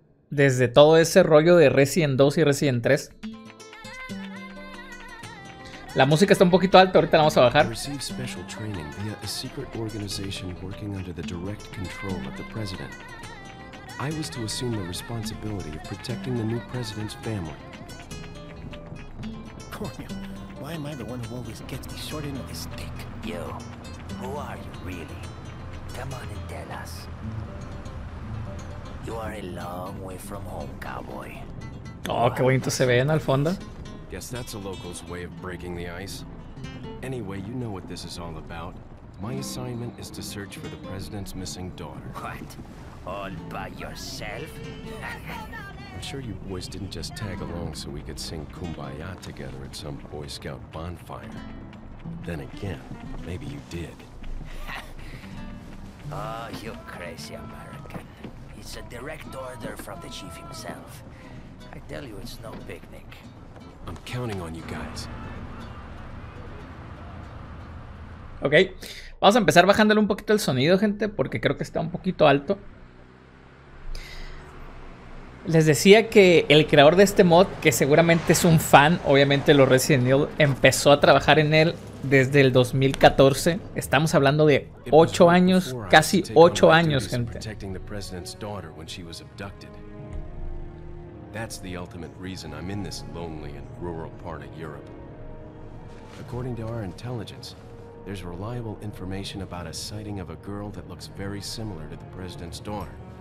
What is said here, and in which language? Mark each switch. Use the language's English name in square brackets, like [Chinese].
[Spanish] Desde todo ese rollo de Resident 2 y Resident 3. La música está un poquito alta, ahorita la vamos a bajar. [English] Received special training via a secret organization working under the direct control of the president. I was to assume the responsibility of protecting the new president's family. Cornel, why am I the one who always gets the short end of the stick? You, who are you really? Come on and tell us. You are a long way from home, cowboy. [Spanish] Oh, qué bonito se ve en el fondo. [English] Guess that's a local's way of breaking the ice. Anyway, you know what this is all about. My assignment is to search for the president's missing daughter. What? All by yourself? I'm sure you boys didn't just tag along so we could sing Kumbaya together at some Boy Scout bonfire. Then again, maybe you did. Oh, you crazy American. It's a direct order from the chief himself. I tell you, it's no picnic. I'm counting on you guys. [Spanish] Ok, vamos a empezar bajándole un poquito el sonido, gente, porque creo que está un poquito alto. Les decía que el creador de este mod, que seguramente es un fan, obviamente, de los Resident Evil, empezó a trabajar en él desde el 2014. Estamos hablando de 8 años, casi 8 años, gente. [English] That's the ultimate reason I'm in this lonely and rural part of Europe. According to our intelligence, there's reliable information about a sighting of a girl that looks very similar to the president's daughter.